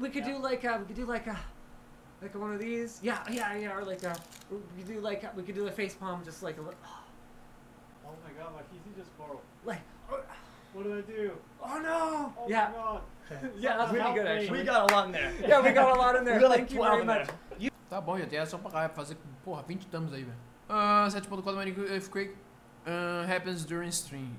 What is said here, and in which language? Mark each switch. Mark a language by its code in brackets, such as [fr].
[en] We could do like one of these. Yeah. Or we could do a face palm, just like a little. Oh my god, my PC just broke. Like, what do I do? Oh no! Oh yeah. My god. Yeah, that's pretty good. Actually, we got a lot in there. Yeah, we got a lot in there. We got like 12 in there. [pt] Tá bom, já tem essa pra cá, fazer porra, 20 thumbs aí, velho. [en] 7.4 Mining Earthquake happens during stream.